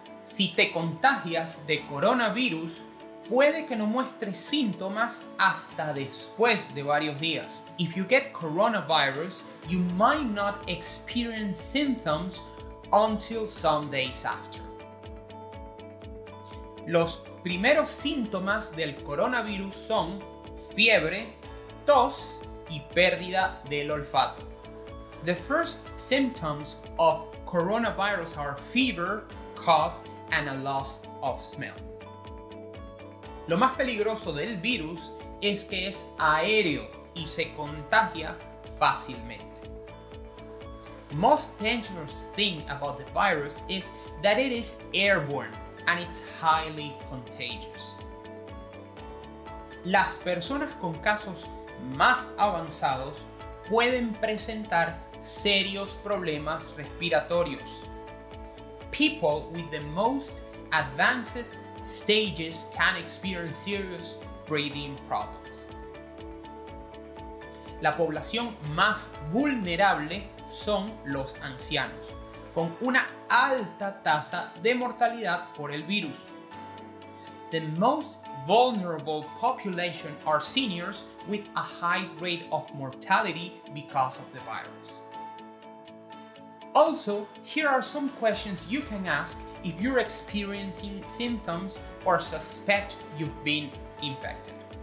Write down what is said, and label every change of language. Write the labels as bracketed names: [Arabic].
[Spanish] Si te contagias de coronavirus, puede que no muestres síntomas hasta después de varios días. [English] If you get coronavirus, you might not experience symptoms until some days after. [Spanish] Los primeros síntomas del coronavirus son fiebre, tos y pérdida del olfato. [English] The first symptoms of coronavirus are fever, cough, and a loss of smell. [Spanish] Lo más peligroso del virus es que es aéreo y se contagia fácilmente. [English] Most dangerous thing about the virus is that it is airborne and it's highly contagious. [Spanish] Las personas con casos más avanzados pueden presentar serios problemas respiratorios. [English] People with the most advanced stages can experience serious breathing problems. [Spanish] La población más vulnerable son los ancianos, con una alta tasa de mortalidad por el virus. [English] The most vulnerable population are seniors with a high rate of mortality because of the virus. Also, here are some questions you can ask if you're experiencing symptoms or suspect you've been infected.